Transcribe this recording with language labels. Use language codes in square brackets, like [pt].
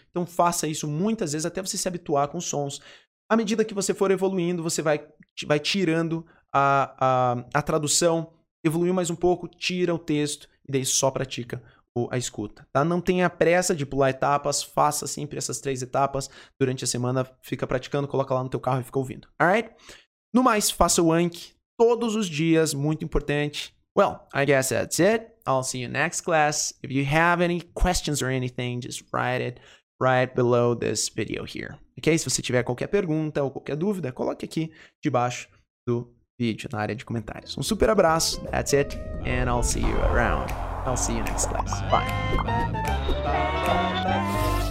[pt] Então faça isso muitas vezes até você se habituar com os sons. À medida que você for evoluindo, você vai tirando a tradução, evoluiu mais um pouco, tira o texto e daí só pratica a escuta, tá? Não tenha pressa de pular etapas, faça sempre essas três etapas durante a semana, fica praticando, coloca lá no teu carro e fica ouvindo, alright? No mais, faça o Anki todos os dias, muito importante. [en] Well, I guess that's it. I'll see you next class. If you have any questions or anything, just write it right below this video here. Ok? [pt] Se você tiver qualquer pergunta ou qualquer dúvida, coloque aqui debaixo do vídeo, na área de comentários. Um super abraço, [en] that's it, and I'll see you around. I'll see you next class. Bye.